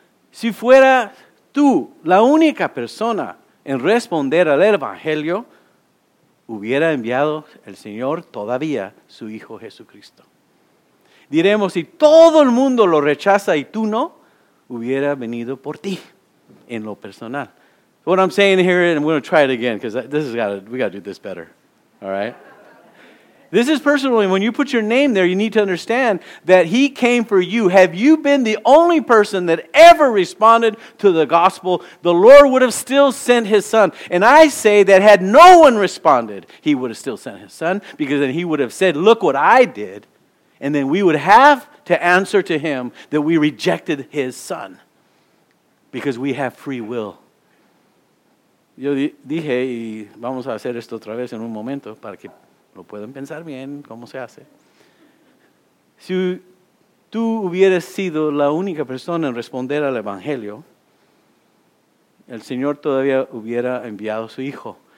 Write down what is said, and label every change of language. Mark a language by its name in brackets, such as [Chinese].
[Spanish] Si fuera tú la única persona en responder al Evangelio, hubiera enviado el Señor todavía su Hijo Jesucristo. Diremos, si todo el mundo lo rechaza y tú no, hubiera venido por ti en lo personal. [English] What I'm saying here, and I'm going to try it again, because this has got to, we got to do this better, all right? This is personal, and when you put your name there, you need to understand that he came for you. Have you been the only person that ever responded to the gospel, the Lord would have still sent his son. And I say that had no one responded, he would have still sent his son, because then he would have said, look what I did, and then we would have to answer to him that we rejected his son, because we have free will. [Spanish] Yo dije, y vamos a hacer esto otra vez en un momento para que lo puedan pensar bien, cómo se hace. Si tú hubieras sido la única persona en responder al Evangelio, el Señor todavía hubiera enviado a su Hijo.